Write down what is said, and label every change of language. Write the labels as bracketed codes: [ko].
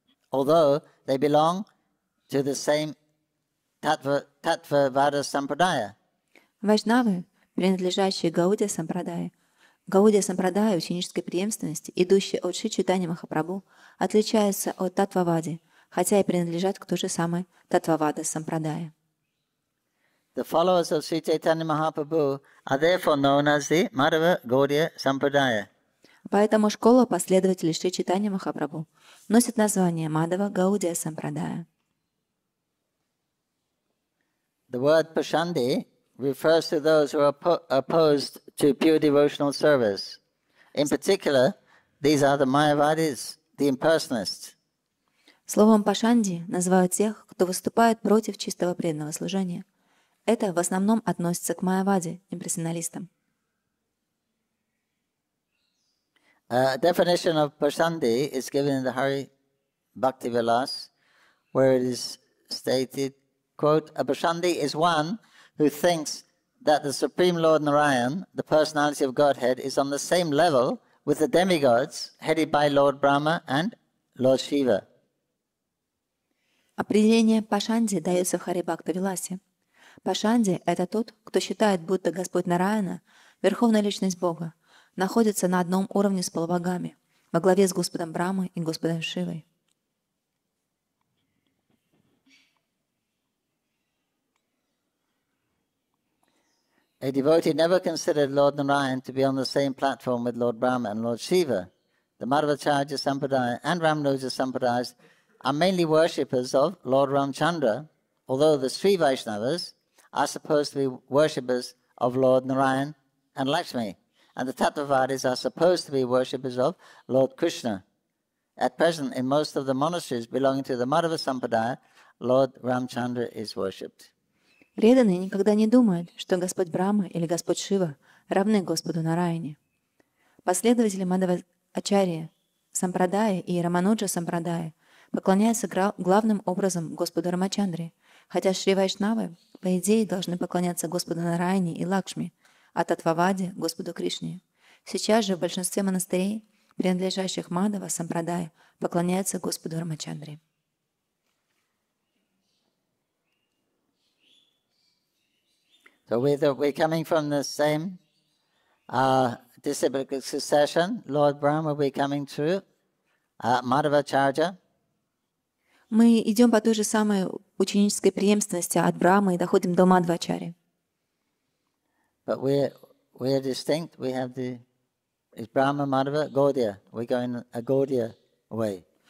[en] Although they belong to the same Tattvavada Sampradaya. [ru] Вайшнавы, принадлежащие Гаудия Сампрадая, Гаудия Сампрадая ученической преемственности, идущие от Шри Чайтанья Махапрабху, отличаются от Таттвавади, хотя и принадлежат к той же самой Таттвавада Сампрадая. [en] The followers of Sri Chaitanya Mahaprabhu are therefore known as the Madhava Gaudiya Sampradaya. [ru] Поэтому школа последователей Шри Чайтанья Махапрабху носит название Мадхава Гаудия Сампрадая. [en] The word Pashandi refers to those who are opposed to pure devotional service. In particular, these are the Mayavadis, the impersonalists. [ru] Словом Пашанди называют тех, кто выступает против чистого преданного служения. Это в основном относится к Майаваде, имперсоналистам. [en] A definition of Pashandi is given in the Hari Bhakti Vilas, where it is stated, quote, a Pashandi is one who thinks that the Supreme Lord Narayan, the personality of Godhead, is on the same level with the demigods, headed by Lord Brahma and Lord Shiva. [ru] Определение Пашанди дается в Хари Бхакта Виласе. Пашанди – это тот, кто считает, будто Господь Нараяна, верховная личность Бога, находится на одном уровне с полубогами, во главе с Господом Брамой и Господом Шивой. [en] A devotee never considered Lord Narayan to be on the same platform with Lord Brahma and Lord Shiva. The Madhvacharya Sampradaya and Ramanuja Sampradaya are mainly worshippers of Lord Ramchandra, although the Sri Vaishnavas are supposed to be worshippers of Lord Narayan and Lakshmi, and the Tattvavadis are supposed to be worshippers of Lord Krishna. At present, in most of the monasteries belonging to the Madhva Sampradaya, Lord Ramchandra is worshipped. [ru] Преданные никогда не думают, что Господь Брама или Господь Шива равны Господу Нараяне. Последователи Мадхвачарьи Сампрадая и Рамануджа Сампрадая поклоняются главным образом Господу Рамачандре, хотя Шри Вайшнавы, по идее, должны поклоняться Господу Нараяне и Лакшми, а Таттвавади – Господу Кришне. Сейчас же в большинстве монастырей, принадлежащих Мадхва Сампрадая, поклоняются Господу Рамачандре. [en] So we're coming from the same disciplic succession. Lord Brahma will be coming through Madhvacharya. [ru] Мы идем по той же самой ученической преемственности от Брамы и доходим до Мадхвачарьи. [en] But we're distinct. We have the is Brahma Madhva Gaudiya. We're going a Gaudiya way.